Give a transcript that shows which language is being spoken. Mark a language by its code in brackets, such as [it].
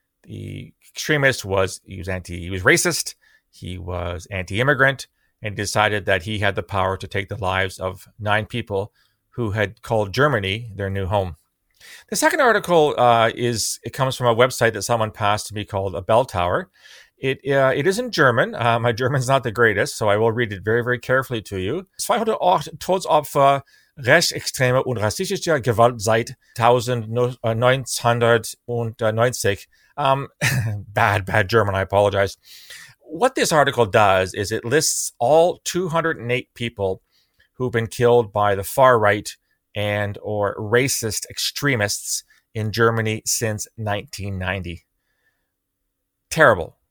[en] The extremist was racist, he was anti-immigrant, and decided that he had the power to take the lives of 9 people who had called Germany their new home. The second article it comes from a website that someone passed to me called A Bell Tower. It is in German. My German's not the greatest, so I will read it very, very carefully to you. [de] 208 Todesopfer rechtsextreme und rassistische Gewalt seit 1990. [en] bad German, I apologize. What this article does is it lists all 208 people who've been killed by the far right and or racist extremists in Germany since 1990. Terrible.